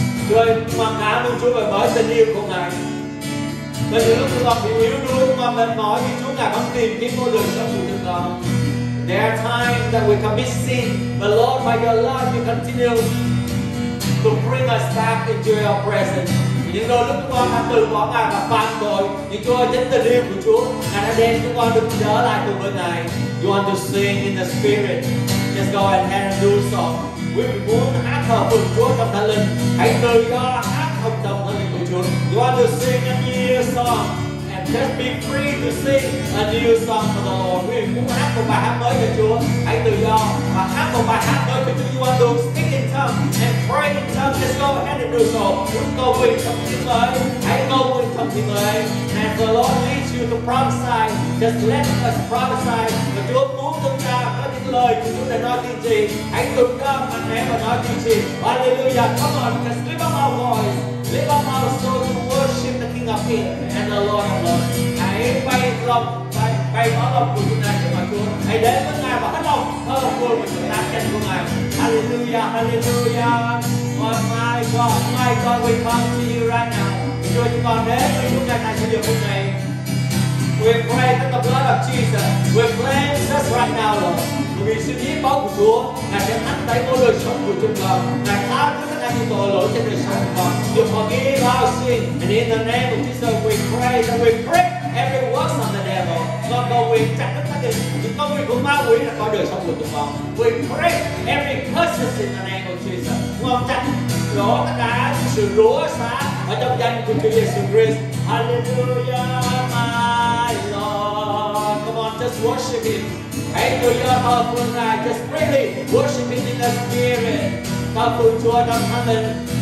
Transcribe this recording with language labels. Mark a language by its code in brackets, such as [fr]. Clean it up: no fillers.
[vi] đời mang áo của Chúa và bởi tình yêu của Ngài. Bởi vì lúc chúng con bị yếu đuối, mà mệt mỏi thì Chúa Ngài vẫn tìm kiếm con đường cho chúng con. [en] There are times that we commit sin, but Lord, by Your love, You continue to bring us back into Your presence. [vi] Những đôi lúc chúng con đã từ bỏ Ngài và phản bội, nhưng Chúa ơi, chính tình yêu của Chúa, Ngài đã đem chúng con được trở lại cùng với Ngài. [en] You want to sing in the Spirit? Just go ahead and do so. We want to [vi] hát thờ phượng Chúa trong thánh linh. Hãy từ đó hát không trong thánh linh của Chúa. [en] You want to sing a new song and just be free to sing a new song for the Lord. We [vi] muốn hát một bài hát mới cho Chúa. Hãy từ đó và hát một bài hát mới cho Chúa. [en] You want to speak in tongues and pray in tongues. Just go ahead and do so. [vi] Chúng cầu nguyện trong tiếng ngợi. Hãy cầu nguyện trong tiếng ngợi. [en] And the Lord leads you to prophesy. Just let us prophesy. [vi] Và Chúa muốn chúng ta lời của Chúa để nói tiên tri. Hãy cùng nhau mạnh mẽ và nói tiên tri. [en] Hallelujah, come on, just lift up our voice, lift up our soul to worship the King of Kings and the Lord of Lords. [vi] Hãy bày lòng, bày tỏ lòng của chúng ta trước mặt Chúa. Hãy đến với Ngài và hết lòng thờ phượng của chúng ta trên của Ngài. [en] Hallelujah, hallelujah. Oh my God, my God, we come to You right now. [vi] Chúa, chúng con đến với chúng ta tại thời điểm phút này. [en] We pray that the blood of Jesus will cleanse us right now, Lord. [vi] Vì sự hiến máu của Chúa, Ngài sẽ thánh tẩy mỗi đời sống của chúng con. Ngài tha thứ tất cả những tội lỗi trên đời sống của con. [en] You forgive our sin. And in the name of Jesus, we pray that we break every works of the devil. [vi] Con cầu nguyện chặt đứt tất cả những công việc của ma quỷ ra khỏi đời sống của chúng con. [en] We break every curse in the name of Jesus. [vi] Con chặt đổ tất cả những sự rủa xá ở trong danh của Chúa Jesus Christ. [en] Hallelujah, my Lord. Come on, just worship Him. [vi] Hãy từ giờ thờ phượng Ngài, [en] just freely worshiping in the Spirit. [vi] Thờ phượng Chúa trong thánh linh.